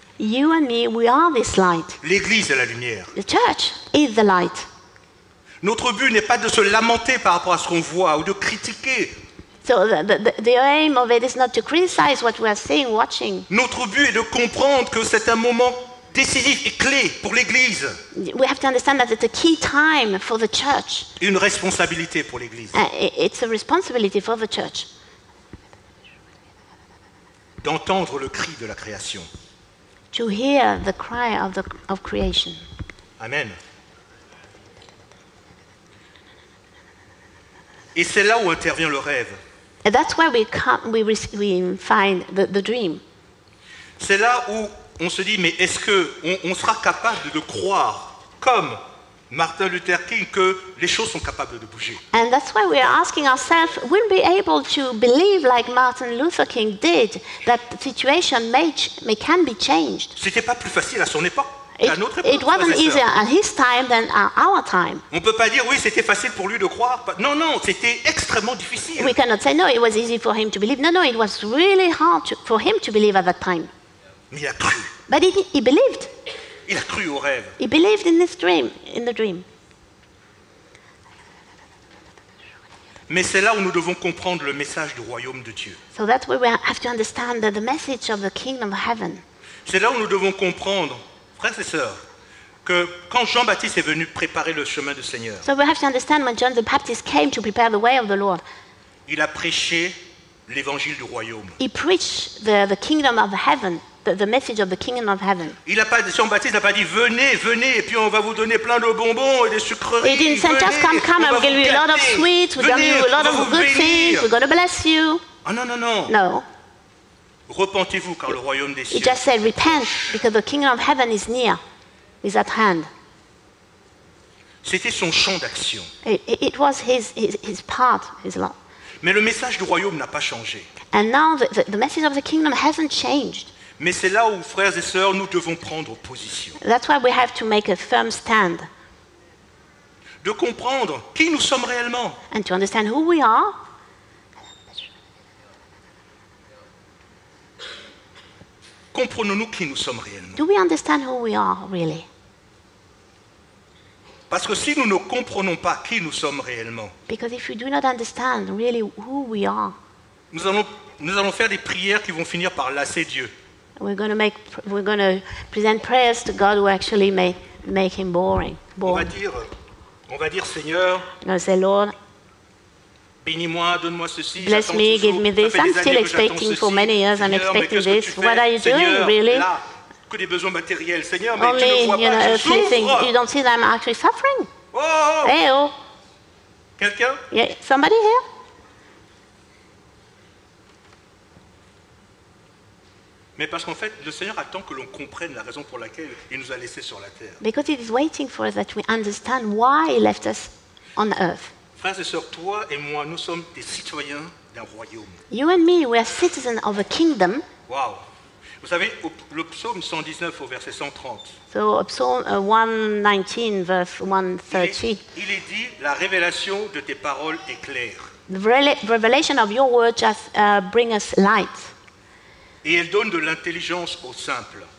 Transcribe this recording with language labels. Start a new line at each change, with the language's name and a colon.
English: You and me, we are this light.
French: L'église est la lumière.
English: The church is the light.
French: Notre but n'est pas de se lamenter par rapport à ce qu'on voit ou de critiquer.
English: So the aim of it is not to criticize what we are seeing, watching.
French: Notre but est de comprendre que c'est un moment décisif et clé pour l'église.
English: We have to understand that it's a key time for the church.
French: Une responsabilité pour l'église.
English: It's a responsibility for the church.
French: D'entendre le cri de la création.
English: To hear the cry of creation. Amen.
French: Et c'est là où intervient le rêve.
English: And that's where we find the dream.
French: C'est là où on se dit, mais est-ce qu'on sera capable de croire, comme Martin Luther King, que les choses sont capables de bouger?
English: And that's why we are asking ourselves, will we be able to believe like Martin Luther King did, that the situation can be changed?
French: C'était pas plus facile à son époque.
English: It wasn't easier at his time than at our time.
French: On peut pas dire oui, c'était facile pour lui de croire. Non, non, c'était extrêmement difficile.
English: We cannot say no, it was easy for him to believe. No, it was really hard for him to believe at that time.
French: Mais il a cru.
English: But he believed.
French: Il a cru au rêve.
English: He believed in this dream, in the dream.
French: Mais c'est là où nous devons comprendre le message du royaume de Dieu.
English: So that's where we have to understand the message of the kingdom of heaven.
French: C'est là où nous devons comprendre, frères et sœurs, que quand Jean-Baptiste est venu préparer le chemin du Seigneur,
English: so we have to understand when John the Baptist came to prepare the way of the Lord,
French: il a prêché l'évangile du royaume.
English: He preached the kingdom of heaven, the message of the kingdom of heaven.
French: Jean-Baptiste n'a pas dit venez, venez, et puis on va vous donner plein de bonbons et des sucreries.
English: He didn't say just come, I'm giving you a lot of sweets, we're giving you a lot of good things, we're going to bless you.
French: Oh, non.
English: No.
French: Repentez-vous car le royaume des cieux.
English: He just said repent because the kingdom of heaven is near, is at hand.
French: C'était son champ d'action.
English: It was his part, his law.
French: Mais le message du royaume n'a pas changé.
English: And now the message of the kingdom hasn't changed.
French: Mais c'est là où frères et sœurs nous devons prendre position.
English: That's why we have to make a firm stand.
French: De comprendre qui nous sommes réellement.
English: And to understand who we are.
French: Comprenons-nous qui nous sommes réellement?
English: Do we understand who we are really?
French: Parce que si nous ne comprenons pas qui nous sommes réellement,
English: because if we do not understand really who we are,
French: nous allons faire des prières qui vont finir par lasser Dieu.
English: We're going to present prayers to God who actually make him boring.
French: On va dire Seigneur.
English: We'll say, Lord,
French: bénis-moi, donne-moi ceci.
English: Bless me, give me this. I'm still expecting for many years. I'm expecting this. What are you doing, really?
French: Que des besoins matériels, Seigneur, mais tu ne vois pas, je souffre.
English: Only, you know, you don't see that I'm actually suffering. Oh. Hey, oh.
French: Quelqu'un?
English: Yeah, somebody here?
French: Mais parce qu'en fait, le Seigneur attend que l'on comprenne la raison pour laquelle il nous a laissés sur la terre.
English: Because he is waiting for us that we understand why he left us on earth.
French: Frères et sœurs, toi et moi, nous sommes des citoyens d'un royaume.
English: You and me, we are citizens of a kingdom. Wow.
French: Vous savez, le psaume 119 au verset 130.
English: So, psalm 119, verse 130.
French: Il est dit, la révélation de tes paroles est claire.
English: The revelation of your word just bring us light.
French: Et elle donne de l'intelligence aux simples.